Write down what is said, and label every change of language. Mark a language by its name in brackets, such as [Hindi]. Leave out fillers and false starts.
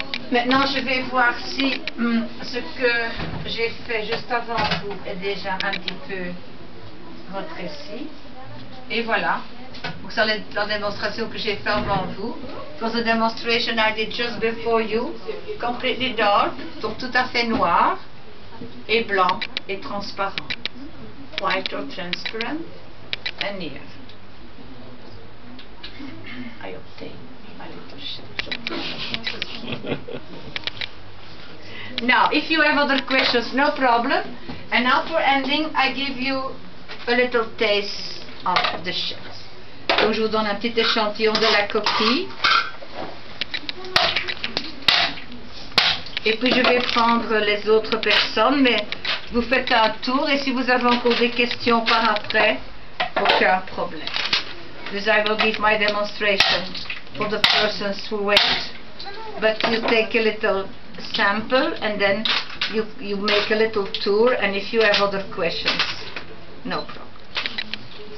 [French] Maintenant, je vais voir si ce que j'ai fait juste avant vous est déjà un petit peu rétréci. Et voilà. Donc, ça, c'est la démonstration que j'ai fait avant vous. [English] It was a demonstration I did just before you. Completely dark, [French] donc tout à fait noir. Et blanc et transparent. [English] White or transparent. And here. I obtain a little shadow. Now, if you have other questions, no problem. And now for ending, I give you a little taste of the shells. [French] Donc je vous donne un petit échantillon de la coquille. Et puis je vais prendre les autres personnes, mais vous faites un tour et si vous avez encore des questions par après, aucun problème. [English] Because I will give my demonstration for the persons who wait. But you take a little sample and then you make a little tour and if you have other questions, no problem.